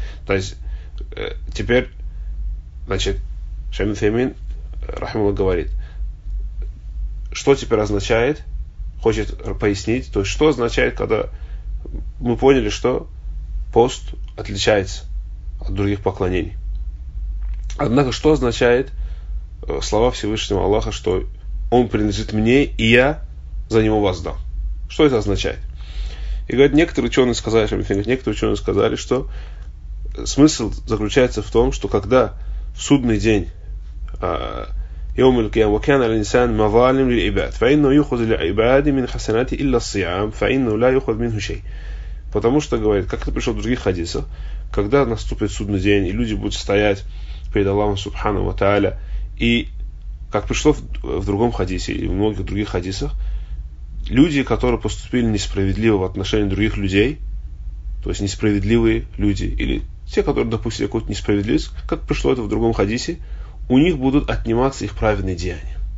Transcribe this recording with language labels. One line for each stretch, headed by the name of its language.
Russian: То есть теперь, значит, Шейх Ибн Таймия рахимахуллах говорит, что теперь означает, хочет пояснить, то есть что означает, когда мы поняли, что пост отличается от других поклонений. Однако, что означает слова Всевышнего Аллаха, что он принадлежит мне, и я за него воздам? Что это означает? И говорят, некоторые ученые сказали, что смысл заключается в том, что когда в судный день
Arabic: يوم القيامة وكان الإنسان مظالم للعباد فإنه يخذ للعباد من حسنات إلا الصيام فإنه لا يخذ منه شيء.
Russian: Потому что, говорит, как это пришло в других хадисах, когда наступит судный день, и люди будут стоять перед Аллахом Субхану ва Тааля, и как пришло в другом хадисе и в многих других хадисах, люди, которые поступили несправедливо в отношении других людей, то есть несправедливые люди, или те, которые допустили какую-то несправедливость, как пришло это в другом хадисе, у них будут отниматься их праведные деяния.